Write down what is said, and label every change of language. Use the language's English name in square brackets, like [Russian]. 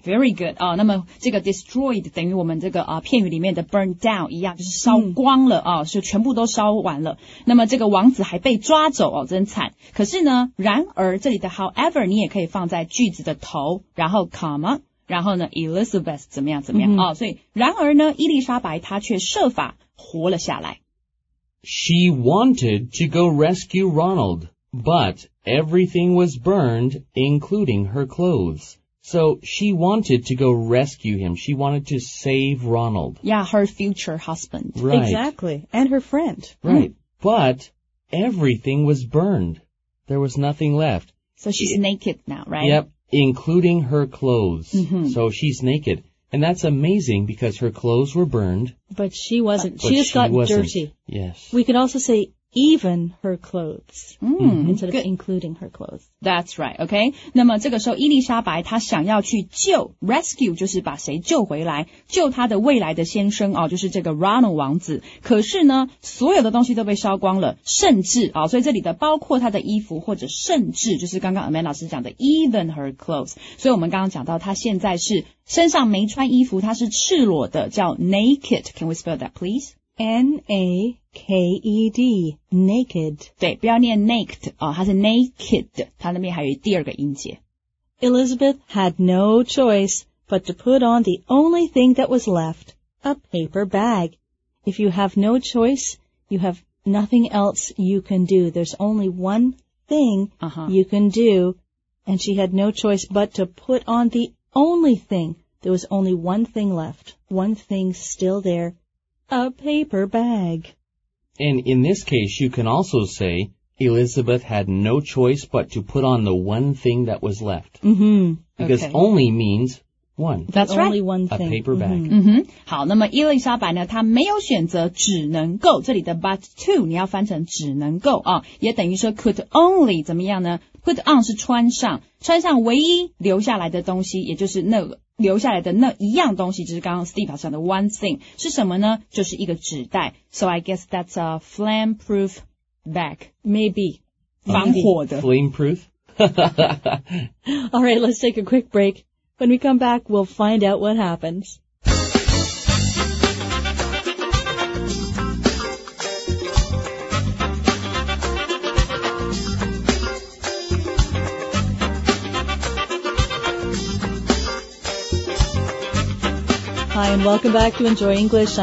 [English] Very good.、 [Chinese] 那么这个 destroyed 等于我们这个、片语里面的 burn down 一样，就是烧光了、就全部都烧完了。那么这个王子还被抓走、真惨。可是呢，然而这里的 however 你也可以放在句子的头，然后 comma。然后呢 ,Elizabeth 怎么样怎么样、所以然而呢伊丽莎白她却设法活了下来。 [English] She wanted to go rescue Ronald, but everything was burned, including her clothes. So she wanted to go rescue him. She wanted to save Ronald. Yeah, her future husband. Right. Exactly. And her friend. Right.、But everything was burned. There was nothing left. So she's naked now, right? Yep. Including her clothes.、So she's naked. And that's amazing because her clothes were burned. But she wasn't. But she just got dirty. Yes. We could also say even her clothes、instead of、including her clothes. That's right. Okay. [Chinese] 那么这个时候伊丽莎白她想要去救 rescue 就是把谁救回来救她的未来的先生、就是这个 Ronald 王子。可是呢所有的东西都被烧光了甚至、所以这里的包括她的衣服或者甚至就是刚刚 Amanda 老师讲的 [English] even her clothes. [Chinese] 所以我们刚刚讲到她现在是身上没穿衣服她是赤裸的叫 naked. [English] Can we spell that please? N-A-K-E-D, naked. [Chinese] 对不要念 naked,、它是 naked, 它那边还有第二个音节。 [English] Elizabeth had no choice but to put on the only thing that was left, a paper bag. If you have no choice, you have nothing else you can do. There's only one thing、you can do, and she had no choice but to put on the only thing. There was only one thing left, one thing still there. A paper bag. And in this case, you can also say, Elizabeth had no choice but to put on the one thing that was left. Because、only means one. That's only right. Only one thing. A paper bag. Mm-hmm. Mm-hmm. [Chinese] 好那么伊丽莎白呢她没有选择只能够这里的 but to, 你要翻成只能够、也等于说 could only, 怎么样呢 ?put on 是穿上穿上唯一留下来的东西也就是那个。留下来的那一样东西就是刚刚 Steve 讲的 one thing 是什么呢就是一个纸袋 [English] So I guess that's a flame proof bag Maybe [Chinese] 防火的 [English] Flame proof Alright let's take a quick break When we come back we'll find out what happens Hi, and welcome back to Enjoy English.